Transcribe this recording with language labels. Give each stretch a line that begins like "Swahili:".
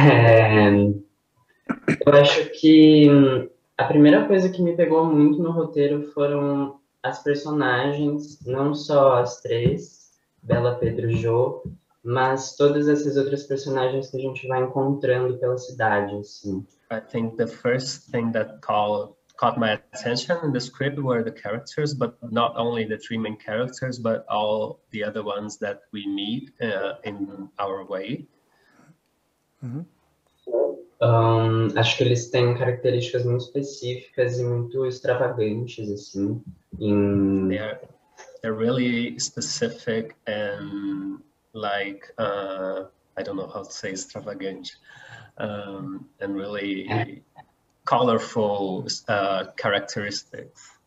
Portuguese: Eu acho que a primeira coisa que me pegou muito no roteiro foram as personagens, não só as três, Bela, Pedro e Jo, mas todas essas outras personagens que a gente vai encontrando pela cidade, assim.
English: I think the first thing that caught my attention in the script were the characters, but not only the three main characters, but all the other ones that we meet in our way. Mm-hmm.
Portuguese: Acho que eles têm características muito específicas e muito extravagantes, assim.
English: They're really specific and like, I don't know how to say extravagant, and really colorful characteristics.